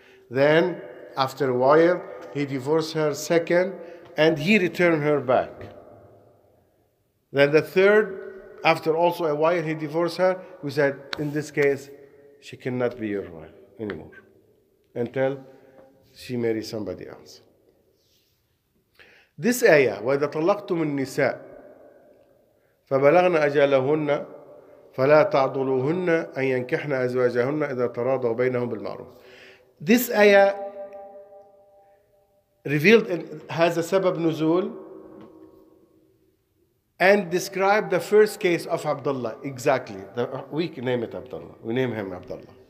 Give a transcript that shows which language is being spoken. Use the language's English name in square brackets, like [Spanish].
[English] Then, after a while, he divorced her second, and he returned her back. Then the third, after also a while, he divorced her. We said, in this case, she cannot be your wife anymore until she marries somebody else. This ayah, [Arabic] وَإِذَا طَلَّقْتُمُ النِّسَاءَ فَبَلَغْنَ أَجَلَهُنَّ فَلَا تَعْضُلُوهُنَّ أَنْ يَنْكِحْنَ أَزْوَاجَهُنَّ إِذَا تَرَاضَوْا بَيْنَهُمْ بِالْمَعْرُوفِ. [English] This ayah revealed has a sabab nuzul and described the first case of Abdullah, exactly. We name it Abdullah. We name him Abdullah.